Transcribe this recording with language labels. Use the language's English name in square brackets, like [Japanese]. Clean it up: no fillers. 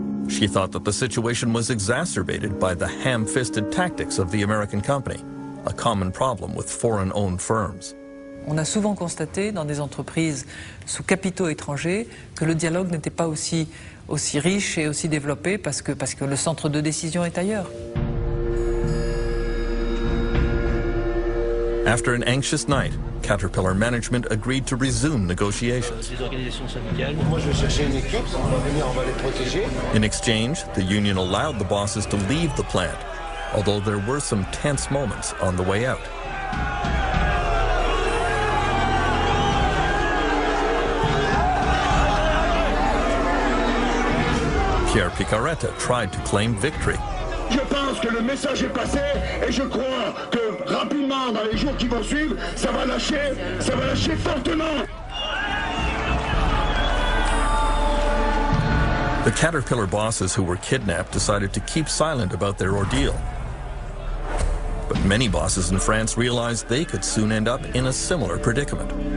[English] She thought that the situation was exacerbated by the ham-fisted tactics of the American company, a common problem with foreign-owned firms. [French] On a souvent constaté dans des entreprises sous capitaux étrangers que le dialogue n'était pas aussi riche et aussi développé parce que le centre de décision est ailleurs. [English] After an anxious night, Caterpillar management agreed to resume negotiations. [French] Moi, je vais chercher une équipe, on va venir, on va les protéger. [English] In exchange, the union allowed the bosses to leave the plant, although there were some tense moments on the way out. Pierre Picaretta tried to claim victory. [French] Je pense que le message est passé et je crois que rapidement dans les jours qui vont suivre, ça va lâcher fortement. [English] The Caterpillar bosses who were kidnapped decided to keep silent about their ordeal. But many bosses in France realized they could soon end up in a similar predicament.